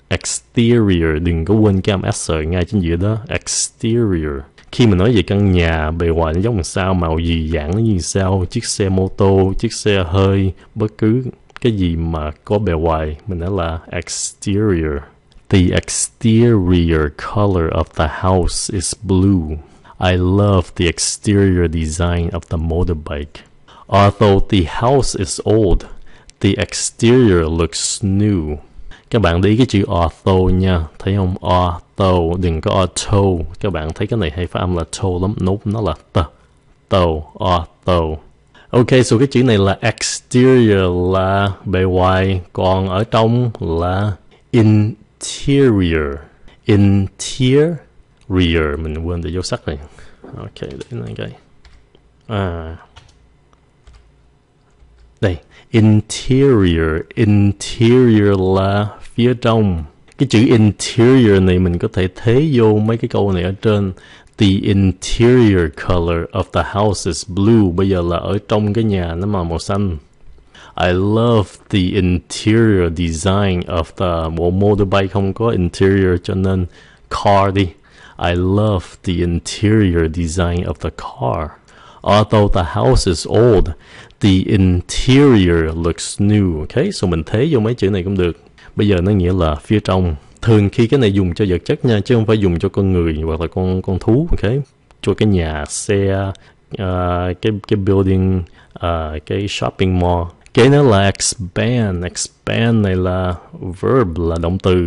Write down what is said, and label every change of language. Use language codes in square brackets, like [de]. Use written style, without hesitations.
[vi] Exterior, đừng có quên cái âm s ngay trên giữa đó. Exterior. Khi mình nói về căn nhà, bề ngoài nó giống như sao, màu gì, dạng nó như sao, chiếc xe mô tô, chiếc xe hơi, bất cứ cái gì mà có bề ngoài, mình nói là exterior. [en] The exterior color of the house is blue. I love the exterior design of the motorbike. Although the house is old, the exterior looks new. [vi] Các bạn để ý cái chữ auto nha, thấy không? Auto, đừng có auto. Các bạn thấy cái này hay phát âm là to lắm, nope, nó là t. To, auto. Ok, so cái chữ này là exterior là bề ngoài, còn ở trong là interior. Interior, mình quên để dấu sắc này. Ok, để này cái. À. Đây, interior, interior là phía trong. Cái chữ interior này mình có thể thế vô mấy cái câu này ở trên. [en] The interior color of the house is blue. [vi] Bây giờ là ở trong cái nhà nó mà màu xanh. [en] I love the interior design of the... [vi] Bộ motorbike không có interior cho nên car đi. [en] I love the interior design of the car. Although the house is old, the interior looks new. [vi] Okay, so mình thế vô mấy chữ này cũng được. Bây giờ nó nghĩa là phía trong. Thường khi cái này dùng cho vật chất nha, chứ không phải dùng cho con người hoặc là con thú. Okay, cho cái nhà, xe, cái building, cái shopping mall. Cái nữa là expand. Expand này là verb, là động từ.